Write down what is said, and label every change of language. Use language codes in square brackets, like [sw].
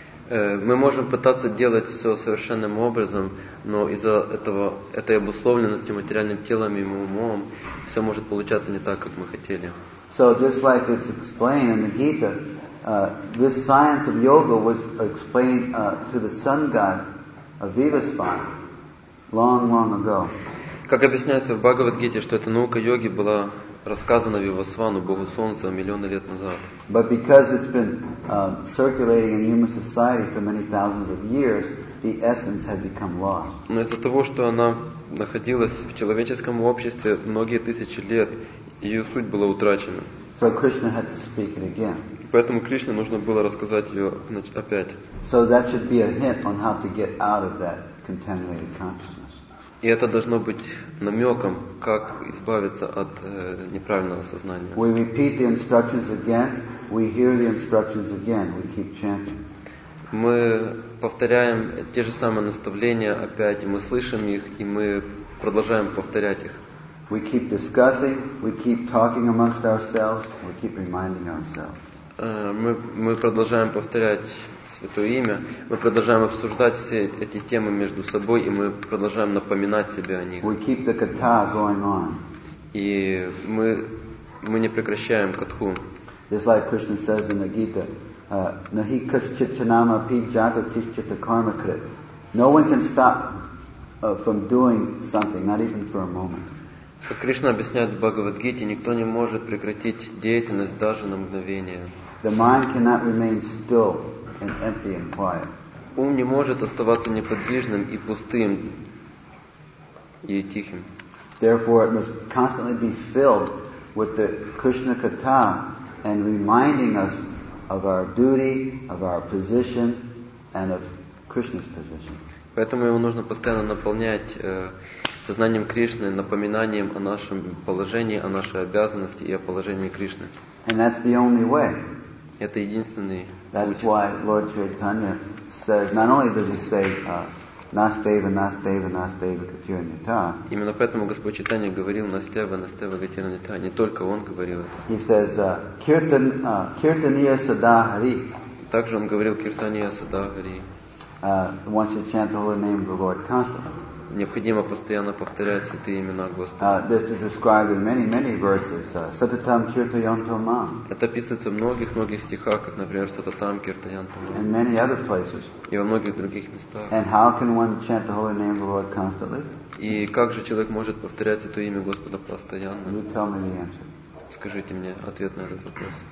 [ru] Мы можем пытаться делать все совершенным образом, но из-за этой обусловленности материальным телом и умом все может получаться не так, как мы хотели. [en] So just like it's explained in the Gita, this science of yoga was explained to the sun god Vivasvan long, long ago. [ru] Как объясняется в Бхагавад-гите, что эта наука йоги была рассказана Вивасвану, Богу Солнца, миллионы лет назад. [en] But because it's been circulating in human society for many thousands of years, the essence had become lost. [ru] Но из-за того, что она находилась в человеческом обществе многие тысячи лет, ее суть была утрачена. [en] So Krishna had to speak it again. [ru] Поэтому Кришне нужно было рассказать ее опять. [en] So that should be a hint on how to get out of that contaminated consciousness. [ru] И это должно быть намеком, как избавиться от неправильного сознания. [en] We repeat the instructions again, we hear the instructions again, we keep chanting. [ru] Мы повторяем те же самые наставления опять, и мы слышим их, и мы продолжаем повторять их. [en] We keep discussing, we keep talking amongst ourselves, we keep reminding ourselves. [ru] Мы продолжаем повторять Святое Имя, мы продолжаем обсуждать все эти темы между собой, и мы продолжаем напоминать себе о них. [en] We keep the katha going on. [ru] И мы не прекращаем катху. [en] It's like Krishna says in the Gita, [sa] Nahi kaschit chanama pi jata tischit karma krit. [en] No one can stop from doing something, not even for a moment. [ru] Как Кришна объясняет в Бхагавад-гите, никто не может прекратить деятельность даже на мгновение. [en] The mind cannot remain still and empty and quiet. [ru] Ум не может оставаться неподвижным и пустым и тихим. [en] Therefore, it must constantly be filled with the Krishna Katha and reminding us of our duty, of our position, and of Krishna's position. [ru] Поэтому его нужно постоянно наполнять сознанием Кришны, напоминанием о нашем положении, о нашей обязанности и о положении Кришны. [en] And that's the only way. [ru] Это единственный [en] That's [ru] путь. [en] Why Lord Chaitanya says, not only does he say, [sa] Nasteva, Nasteva, Nasteva, Gatiranita. [ru] Именно поэтому Господь Чайтанья говорил [sa] Настева, Настева, Гатиранита. [ru] Не только он говорил это. [en] He says, [sa] Kirtaniya Sadahari. [ru] Также он говорил [sa] Kirtaniya Sadahari. [en] Once you chant the holy name of the Lord constantly. [ru] Необходимо постоянно повторять святые имена Господа. [en] This is described in many, many verses. [sa] Сататам киртаянто мам. [ru] Это описывается в многих-многих стихах, как, например, [sa] Сататам киртаянто мам. [en] And many other places. [ru] И во многих других местах. [en] And how can one chant the holy name of the Lord constantly? [ru] И как же человек может повторять святое имя Господа постоянно? [en] You tell me the answer. [ru] Скажите мне ответ на этот вопрос.